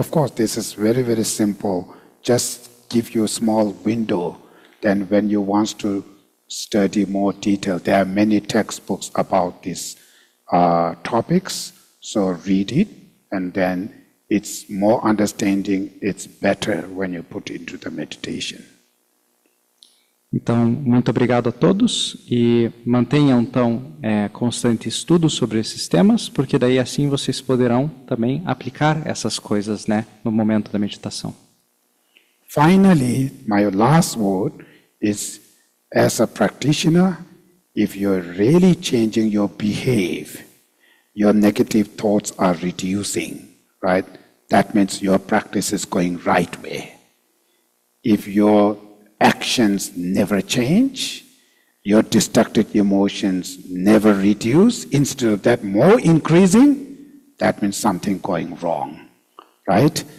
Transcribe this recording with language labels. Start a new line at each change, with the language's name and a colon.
English: Of course, this is very, very simple. Just give you a small window. Then when you want to study more detail, there are many textbooks about these topics. So read it, and then it's more understanding. It's better when you put it into the meditation.
Portuguese: Então, muito obrigado a todos e mantenham, então, constante estudo sobre esses temas, porque daí assim vocês poderão também aplicar essas coisas, né, no momento da meditação.
English: Finally, my last word is, as a practitioner, if you're really changing your behavior, your negative thoughts are reducing, right? That means your practice is going right way. If your actions never change, your destructive emotions never reduce, instead of that more increasing, that means something going wrong, right?